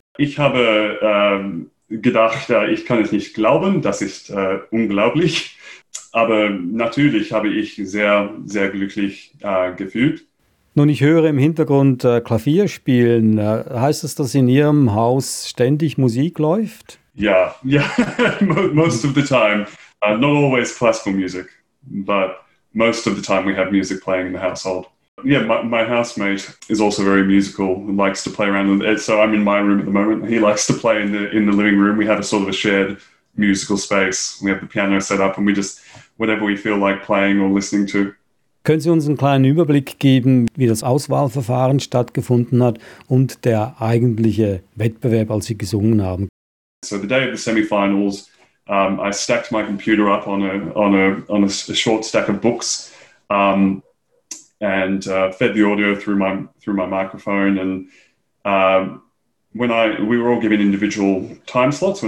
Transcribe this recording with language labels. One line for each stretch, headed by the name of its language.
German: Ich habe gedacht, ich kann es nicht glauben, das ist unglaublich. Aber natürlich habe ich sehr, sehr glücklich gefühlt. Nun, ich höre im Hintergrund Klavier spielen. Heißt das, dass in Ihrem Haus ständig Musik läuft?
English: Ja, most of the time. Not always classical music, but most of the time we have music playing in the household. Yeah, my housemate is also very musical and likes to play around. So I'm in my room at the moment. He likes to play in the living room. We have a sort of a shared musical space. We have the piano set up and we just, whatever we feel like playing or listening to.
German: Können Sie uns einen kleinen Überblick geben, wie das Auswahlverfahren stattgefunden hat und der eigentliche Wettbewerb, als Sie gesungen haben?
English: So the day of the semifinals, I stacked my computer up on a short stack of books and fed the audio through my microphone and we were all given individual time slots.